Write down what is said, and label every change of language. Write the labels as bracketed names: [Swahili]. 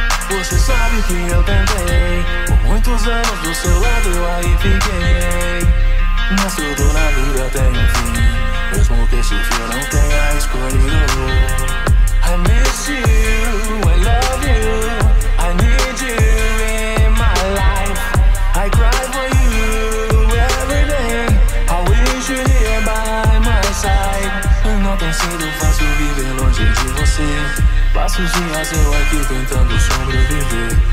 [Portuguese] Você sabe que eu tentei. Por muitos anos do seu lado eu aí fiquei. Mas tudo na vida tem um fim. Mesmo que esse fim eu não tenha escolhido. [English] I miss you, I love you. I need you in my life. I cry for you every day. I wish you here by my side. [Portuguese] Não tem sido fácil viver longe de você. Passo os dias eu aqui tentando sobreviver.